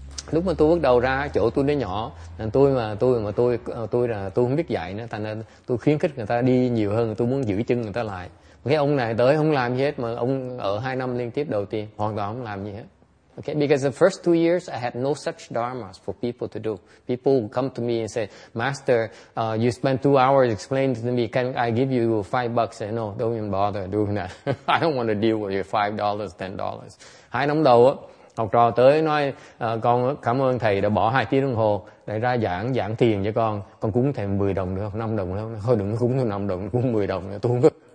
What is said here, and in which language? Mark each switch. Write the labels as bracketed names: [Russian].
[Vietnamese] Lúc mà tôi bắt đầu ra chỗ tôi nó nhỏ, tôi không biết dạy nữa, thành ra tôi khuyến khích người ta đi nhiều hơn, tôi muốn giữ chân người ta lại. Cái ông này tới không làm gì hết, mà ông ở 2 năm liên tiếp đầu tiên hoàn toàn không làm gì hết. [English] Okay, because the first 2 years I had no such dharmas for people to do. People would come to me and say, "Master, you spent 2 hours explaining to me. Can I give you $5?" I said, "No, don't even bother doing that. I don't want to deal with your $5, $10." [Vietnamese] 2 năm đầu á, học trò tới nói, "Con cảm ơn thầy đã bỏ 2 tiếng đồng hồ để ra giảng tiền cho con cúng thầy 10 đồng được không? 5 đồng được không? Thôi đừng cúng thầy 5 đồng, cúng 10 đồng nữa, tôi không có."